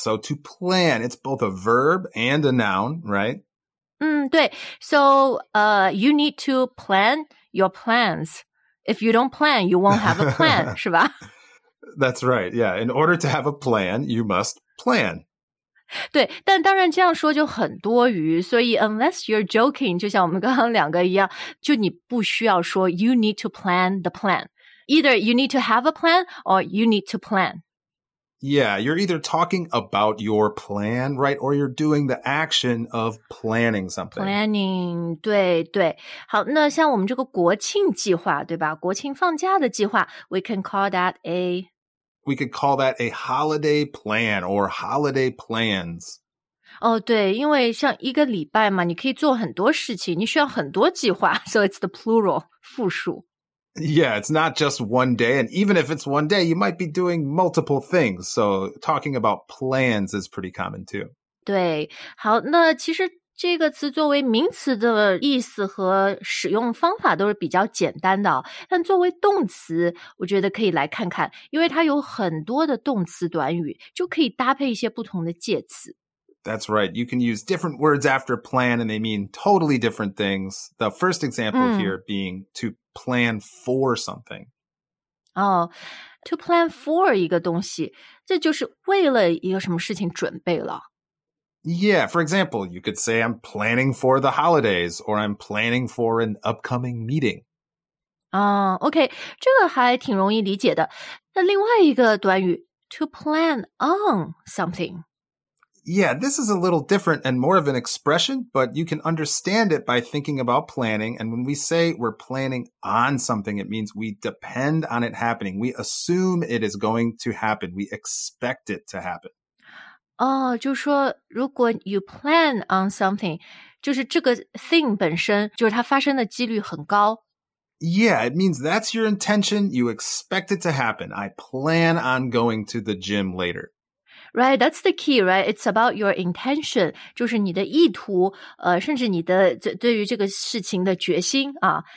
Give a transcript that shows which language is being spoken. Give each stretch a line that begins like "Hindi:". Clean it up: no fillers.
English: So to plan, it's both a verb and a noun, right? 对.So you need to plan your plans. If you don't plan, you won't have a plan,
Chinese: 是吧?
English: That's right. Yeah. In order to have a plan, you must plan.
Chinese: 对，但当然这样说就很多余。所以
English: unless you're joking,
Chinese: 就像我们刚刚两个一样，就你不需要说
English: you need to plan the plan. Either you need to have a plan or you need to plan. Yeah, you're either talking about your plan, right? Or you're doing the action of planning something. Planning,
Chinese: 对对。好，那像我们这个国庆计划，对吧？国庆放假的计划
English: We could call that a holiday plan or holiday plans.
Chinese: 哦，对，因为像一个礼拜嘛，你可以做很多事情，你需要很多计划。
English: So it's the plural,
Chinese: 复数。
English: Yeah, it's not just one day. And even if it's one day, you might be doing multiple things. So talking about plans is pretty common too.
Chinese: 对，好，那其实这个词作为名词的意思和使用方法都是比较简单的。但作为动词，我觉得可以来看看，因为它有很多的动词短语，就可以搭配一些不同的介词。
English: That's right. You can use different words after plan and they mean totally different things. The first example here being to plan for something.
Chinese: Oh,
English: to plan for
Chinese: 一个东西，这就是为了一个什么事情准备了。
English: Yeah, for example, you could say I'm planning for the holidays or I'm planning for an upcoming meeting.
Chinese: OK, 这个还挺容易理解的。那另外一个短语
English: to plan on something. Yeah, this is a little different and more of an expression, but you can understand it by thinking about planning. And when we say we're planning on something, it means we depend on it happening. We assume it is going to happen. We expect it to happen.
Chinese: 就是说如果
English: you plan on something,
Chinese: 就是这个 thing 本身就是它发生的几率很高。
English: Yeah, it means that's your intention. You expect it to happen. I plan on going to the gym later. Right, that's the key, right? It's about your intention.
Chinese: 就是你的意图甚至你的对于这个事情的决心啊。